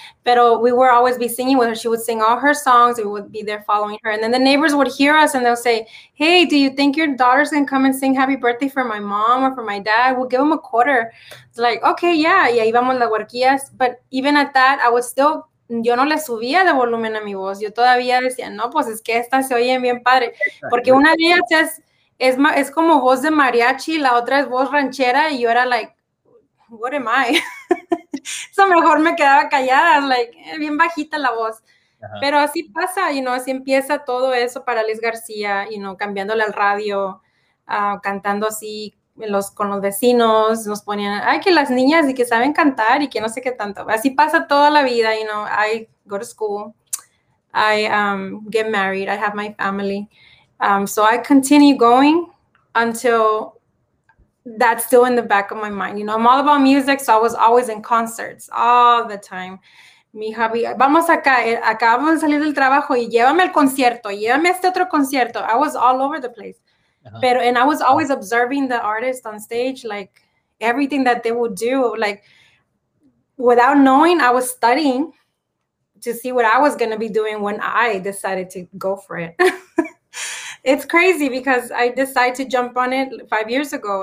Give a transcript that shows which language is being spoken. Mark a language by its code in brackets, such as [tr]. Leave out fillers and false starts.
[en] Pero we were always be singing with her. She would sing all her songs, we would be there following her. And then the neighbors would hear us and they'll say, hey, do you think your daughter's gonna come and sing happy birthday for my mom or for my dad? We'll give them a quarter. It's like, okay, yeah. [es] Y ahí vamos las huerquillas. [en] But even at that, I was still, [es] yo no le subía de volumen a mi voz. Yo todavía decía, no, pues es que estas se oyen bien padre. Porque una de ellas es como voz de mariachi, la otra es voz ranchera, y yo era [en] like, what am I? [es] So mejor me quedaba callada, like, bien bajita la voz. Uh-huh. Pero así pasa, [en] you know, [es] así empieza todo eso para Liz García, you know, cambiándole al radio, cantando así, los con los vecinos nos ponían, ay, que las niñas y que saben cantar y que no sé qué tanto. Así pasa toda la vida, you know. I go to school, I get married, I have my family. [en] So I continue going until that's still in the back of my mind. You know, I'm all about music, so I was always in concerts all the time. [es] Mi hija, vamos acá, acabamos de salir del trabajo y llévame al concierto, llévame a este otro concierto. [en] I was all over the place. Uh-huh. Pero, and I was always observing the artist on stage, like everything that they would do, like without knowing, I was studying to see what I was going to be doing when I decided to go for it. It's crazy because I decided to jump on it 5 years ago.